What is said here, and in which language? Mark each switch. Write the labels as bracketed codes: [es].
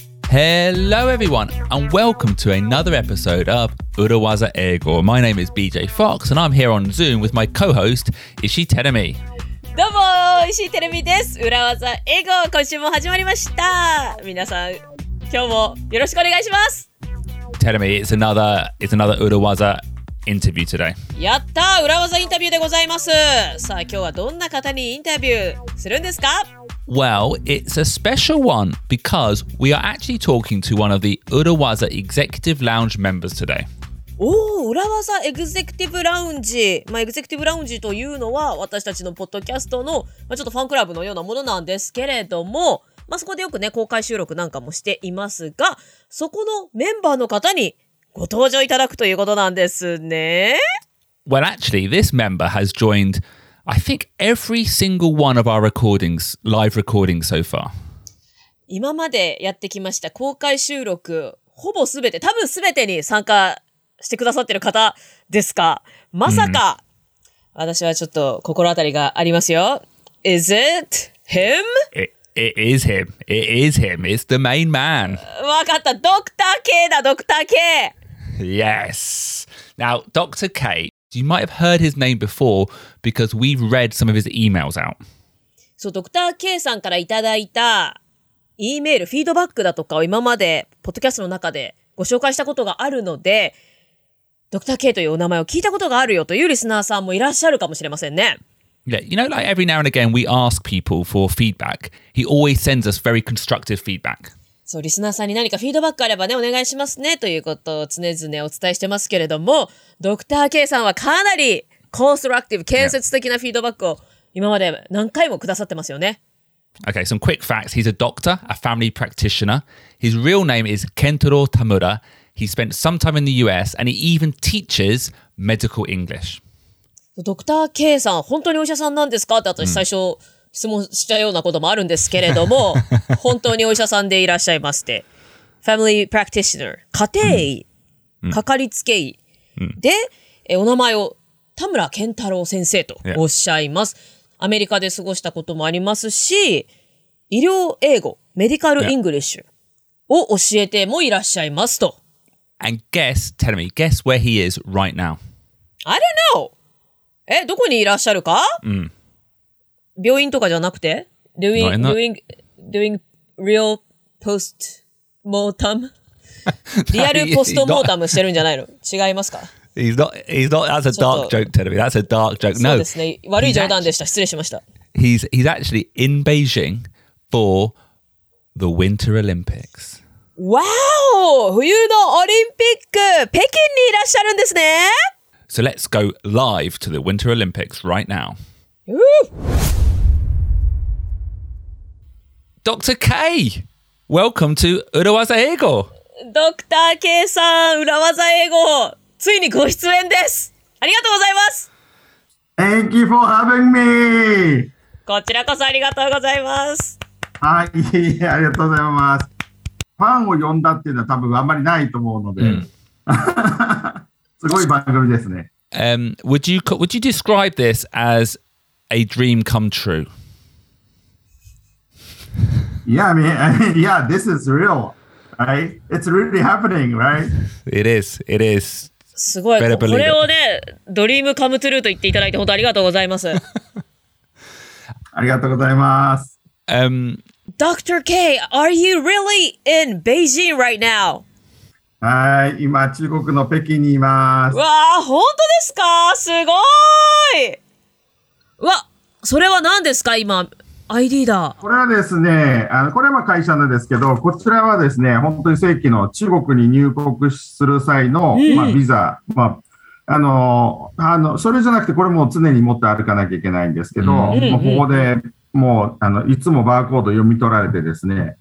[en] Hello everyone and welcome to another episode of Urawaza Ego. My name is BJ Fox and I'm here on Zoom with my co-host Ishii Teremi. [ja] どうも、Ishii Teremi です。Urawaza Ego 今週も始まりました。皆さん、今日もよろしくお願いします。 [en] Teremi, it's another Urawaza interview today. [ja] やった、Urawaza インタビューでございます。さあ、今日はどんな方にインタビューするんですか？ [en] Well, it's a special one because we are actually talking to one of the Urawaza Executive Lounge members today. Oh, Urawaza Executive Lounge. [ja] My Executive Lounge というのは私たちのポッドキャストのちょっとファンクラブのようなものなんですけれども、まあ、そこでよくね公開収録なんかもしていますが、そこのメンバーの方にご登場いただくということなんですね。 [en] Well, actually, this member has joined. I think every single one of our recordings, live recordings so far. [ja] 今までやってきました公開収録ほぼすべて、多分すべてに参加してくださってる方ですか。まさか、mm. 私はちょっと心当たりがありますよ。 [en] Is it him? It is him. It's the main man. [ja] わかった。ドクター K だ、ドクター K! [en] Yes. Now, Dr. K... You might have heard his name before because we've read some of his emails out. So, Dr. [ja] K さんからいただいた E メール、フィードバックだとかを今までポッドキャストの中でご紹介したことがあるので、Dr. K というお名前を聞いたことがあるよというリスナーさんもいらっしゃるかもしれませんね。 [en] Yeah, you know, like every now and again, we ask people for feedback. He always sends us very constructive feedback. [ja] So, リスナーさんに何かフィードバックあればね、お願いしますねということを常々お伝えしてますけれども、ドクター K さんはかなりコンストラクティブ、建設的なフィードバックを今まで何回もくださってますよね。 [en] Okay, some quick facts. He's a doctor, a family practitioner. His real name is Kentaro Tamura. He spent some time in the US and he even teaches medical English. [ja] ドクター K さん、本当にお医者さんなんですかって私最初質問したようなこともあるんですけれども、本当にお医者さんでいらっしゃいまして。 Family practitioner. 家庭医。かかりつけ医。で、お名前を田村健太郎先生とおっしゃいます。アメリカで過ごしたこともありますし、医療英語、メディカルイングリッシュを教えてもいらっしゃいますと。 [en] And guess, tell me, guess where he is right now. I don't know! [ja] どこにいらっしゃるか、病院とかじゃなくて [en] doing real post-mortem? [ja] リアルポストモータムしてるんじゃないの違いますか [en] He's not, that's a dark joke, Teremi. That's a dark joke. No. [ja] そうですね。悪い冗談でした。失礼しました。 [en] He's actually in Beijing for the Winter Olympics. Wow! [ja] 冬のオリンピック北京にいらっしゃるんですね [en] So let's go live to the Winter Olympics right now. Dr. K! Welcome to Urawaza Ego! [ja] Dr. K-san, Urawaza Ego! ついにご出演です。ありがとうございます。 [en] Thank you for having me. [ja] こちらこそありがとうございます。はい、ありがとうございます。ファンを呼んだっていうのは多分あんまりないと思うので、すごい番組ですね。 [en] Would you describe this as a dream come true? Yeah, I mean, this is real, right? It's really happening, right? It is. [ja] すごい、これをね、ドリームカムトゥルーと言っていただいて本当ありがとうございます。ありがとうございます。 [en] Dr. K, are you really in Beijing right now? [ja] はい、今中国の北京にいます。わあ、本当ですか？すごい。わ、それは何ですか？今 ID だ。これはですね、これは会社なんですけど、こちらはですね、本当に正規の中国に入国する際の、まあ、ビザ、まあ、それじゃなくて、これも常に持って歩かなきゃいけないんですけど、ここでもう、いつもバーコード読み取られてですね、